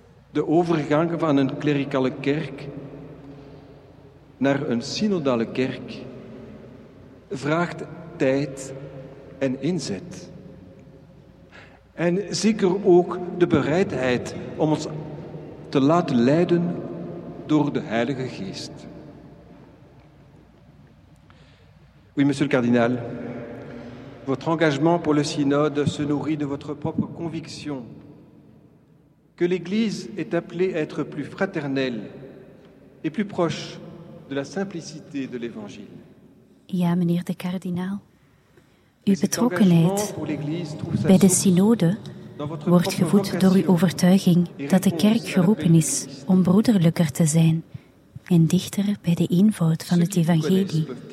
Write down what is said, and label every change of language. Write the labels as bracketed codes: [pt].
[nl] De overgang van een klerikale kerk naar een synodale kerk vraagt tijd en inzet. En zeker ook de bereidheid om ons te laten leiden door de Heilige Geest. [fr] Oui, monsieur le cardinal, votre engagement pour le synode se nourrit de votre propre conviction que l'Église est appelée à être plus fraternelle et plus proche de la simplicité de l'Évangile. [nl] Ja, meneer de kardinaal, uw betrokkenheid bij de synode wordt gevoed door uw overtuiging dat de kerk geroepen is om broederlijker te zijn en dichter bij de eenvoud van het Evangelie.